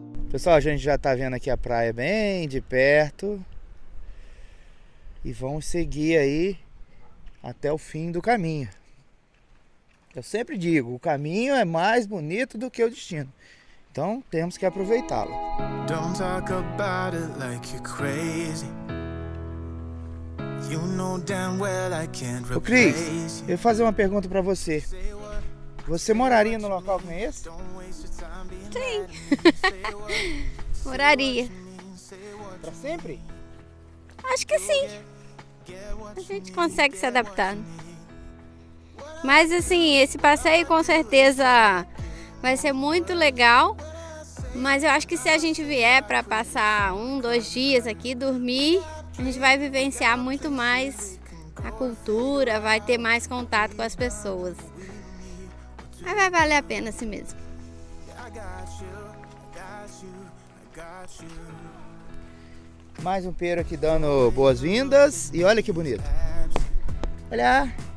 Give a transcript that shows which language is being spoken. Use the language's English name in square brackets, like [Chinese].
[Portuguese] Pessoal, a gente já tá vendo aqui a praia bem de perto. E vamos seguir aí até o fim do caminho. Eu sempre digo, o caminho é mais bonito do que o destino. Então temos que aproveitá-lo. [English] Don't talk about it like you're crazy. You know damn well I can't replace. [Portuguese] Ô Cris, eu vou fazer uma pergunta pra você. Você moraria num local como esse? Sim. Moraria. Pra sempre? Acho que sim. A gente consegue se adaptar. Mas assim, esse passeio com certeza vai ser muito legal. Mas eu acho que se a gente vier pra passar 1, 2 dias aqui, dormir, a gente vai vivenciar muito mais a cultura, vai ter mais contato com as pessoas. Mas vai valer a pena assim mesmo. [English] I got you, I got you, I got you. [Portuguese] Mais um pinheiro aqui dando boas-vindas. E olha que bonito. Olha.